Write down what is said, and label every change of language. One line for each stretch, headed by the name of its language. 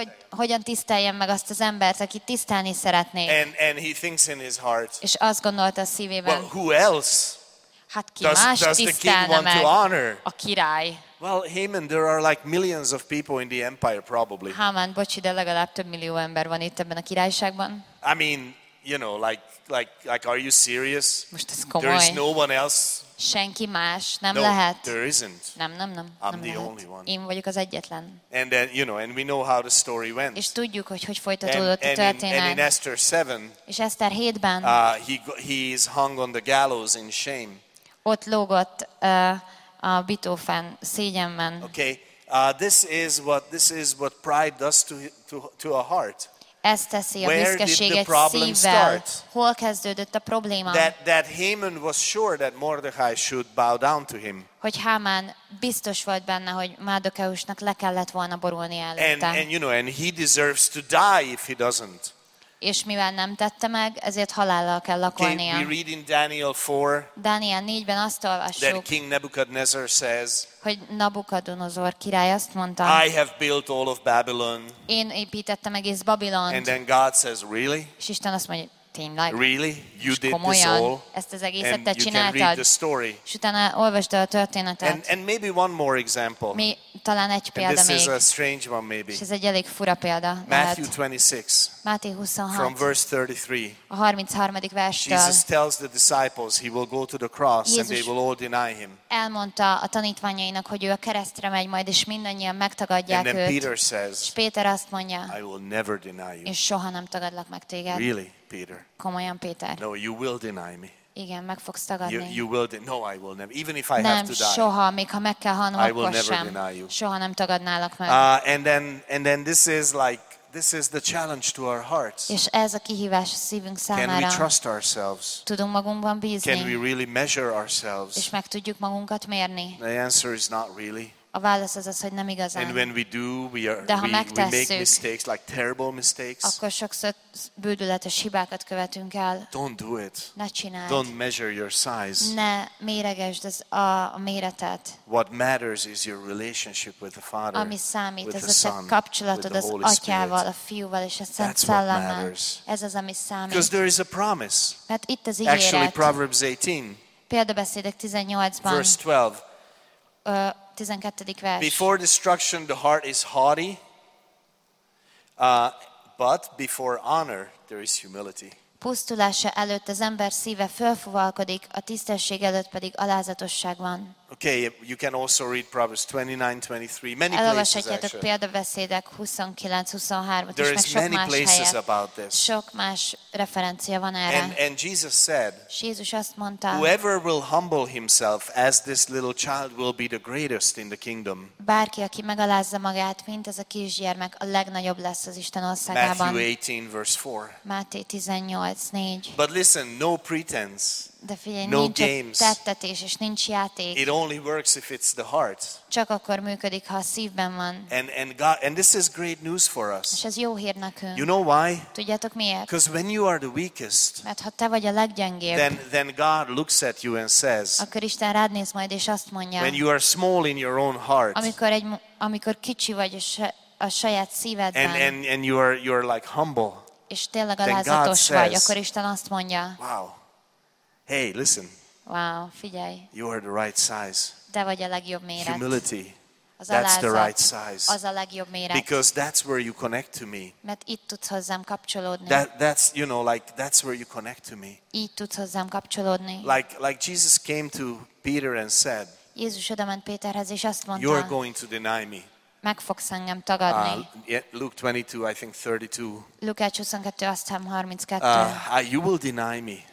Hungarian: Hogyan tiszteljem meg azt az embert, akit tisztelni szeretnék?
English: And he thinks in his heart.
Hungarian: És azt gondolta a szívében.
English: Well, who else?
Hungarian: Hát ki más tisztelne meg? A király.
English: Well, Haman, there are like millions of people in the empire probably.
Hungarian: Haman, bocsi, de legalább több millió ember van itt ebben a királyságban.
English: I mean, you know, like are you serious?
Hungarian: Most ez komoly.
English: There is no one else.
Hungarian: Senki más nem
English: no,
Hungarian: lehet.
English: There isn't.
Hungarian: Nem.
English: I'm
Hungarian: nem
English: the
Hungarian: lehet.
English: Only one.
Hungarian: Én vagyok az egyetlen.
English: And then, you know, and we know how the story went.
Hungarian: És tudjuk, hogy folytatódott a történet.
English: And in Esther 7.
Hungarian: És Eszter 7-ben.
English: He is hung on the gallows in shame.
Hungarian: Ott lógott a bitófen szégyenben.
English: Okay. This is what pride does to a heart.
Hungarian: Ezt teszi a büszkeséget szívvel. Hol kezdődött a probléma?
English: That Haman was sure that Mordechai should bow down to him.
Hungarian: Hogy Haman biztos volt benne, hogy Mordechai-nak le kellett volna borulni előtte.
English: And you know, and he deserves to die if he doesn't.
Hungarian: És mivel nem tette meg, ezért halállal kell lakolnia.
English: Okay, we read in Daniel 4.
Hungarian: Daniel 4-ben azt olvassuk.
English: That King Nebuchadnezzar says.
Hungarian: Hogy Nabukadonozor király azt mondta.
English: I have built all of Babylon.
Hungarian: Én építettem egész Babilont.
English: And then God says, really?
Hungarian: És Isten azt mondja, tényleg?
English: Really? You did this all?
Hungarian: Ezt az egészet te csináltad.
English: And you can read the story.
Hungarian: És utána olvasd a történetet.
English: And maybe one more example.
Hungarian: Mi talán egy példa
English: and this
Hungarian: még.
English: Is a strange one maybe.
Hungarian: És ez egy elég fura példa.
English: Matthew 26.
Hungarian: Máté 26.
English: From verse 33.
Hungarian: A 33. verstől.
English: Jesus tells the disciples he will go to the cross and they will all deny him.
Hungarian: Elmondta a tanítványainak, hogy ő a keresztre megy majd, és mindannyian megtagadják
English: and
Hungarian: őt.
English: And Peter says.
Hungarian: És Péter azt mondja.
English: I will never deny you.
Hungarian: És soha nem tagadlak meg téged.
English: Really, Peter?
Hungarian: Komolyan, Péter?
English: No, you will deny me.
Hungarian: Igen, meg fogsz tagadni.
English: You will no, I will never. Even if I
Hungarian: nem,
English: have to die.
Hungarian: Nem, soha, még ha meg kell halnom,
English: I will
Hungarian: akkor
English: never
Hungarian: sem.
English: Deny you.
Hungarian: Soha nem tagadnálak meg.
English: And then this is like. This is the challenge to our hearts.
Hungarian: És ez a kihívás a szívünk számára.
English: Can we trust ourselves?
Hungarian: Tudunk magunkban bízni?
English: Can we really measure ourselves?
Hungarian: És meg tudjuk magunkat mérni?
English: The answer is not really.
Hungarian: A válasz az az, hogy nem igazán.
English: And when we do, we make mistakes, like terrible mistakes.
Hungarian: Akkor sokszor bűdületes hibákat követünk el.
English: Don't do it.
Hungarian: Ne csináld.
English: Don't measure your size.
Hungarian: Ne méregesd az a méretet.
English: What matters is your relationship with the Father.
Hungarian: Ami számít, ez a te kapcsolatod az Atyával, a Fiúval és a Szent Szellemmel. Ez az, ami számít.
English: Because there is a promise.
Hungarian: Mert itt az ígéret.
English: Actually, Proverbs 18.
Hungarian: Példabeszédek 18-ban.
English: Verse 12.
Hungarian: 12. vers.
English: Before destruction the heart is haughty, but before honor there is humility.
Hungarian: Pusztulása előtt az ember szíve fölfúvalkodik, a tisztesség előtt pedig alázatosság van.
English: Okay, you can also read Proverbs 29:23. Many places actually.
Hungarian: Elolvashatjátok példabeszédek 29:23-ot is, meg sok más helyet.
English: There is many places about this.
Hungarian: Sok más referencia van erre.
English: And Jesus said,
Hungarian: Jézus azt mondta,
English: whoever will humble himself as this little child will be the greatest in the kingdom.
Hungarian: Bárki, aki megalázza magát, mint ez a kisgyermek, a legnagyobb lesz az Isten országában.
English: Matthew 18:4.
Hungarian: Máté 18:4.
English: But listen, no pretense.
Hungarian: De figyelj,
English: no
Hungarian: nincs
English: games.
Hungarian: Tettetés, és nincs játék.
English: It only works if it's the heart.
Hungarian: Csak akkor működik, ha a szívben van.
English: And this is great news for us.
Hungarian: És ez jó hír nekünk.
English: You know why?
Hungarian: Tudjátok miért?
English: Because when you are the weakest,
Hungarian: mert ha te vagy a leggyengébb,
English: then God looks at you and says,
Hungarian: akkor Isten rád néz majd, és azt mondja,
English: when you are small in your own heart,
Hungarian: amikor kicsi vagy a saját szívedben,
English: and you are like humble,
Hungarian: és tényleg alázatos vagy, akkor Isten azt mondja,
English: wow. Hey, listen.
Hungarian: Wow, figyelj.
English: You are the right size.
Hungarian: Te vagy a legjobb méret.
English: Humility.
Hungarian: Az
English: that's the right size.
Hungarian: Az a legjobb méret.
English: Because that's where you connect to me.
Hungarian: Mert itt tudsz hozzám kapcsolódni.
English: That's you know like that's where you connect to me.
Hungarian: Itt tudsz hozzám kapcsolódni.
English: Like Jesus came to Peter and said,
Hungarian: Jézus odament Péterhez és azt mondta,
English: you're going to deny me.
Hungarian: Meg fogsz engem tagadni.
English: Luke 22, I think 32.
Hungarian: Lukács 22, azt hiszem 32.
English: You will deny me.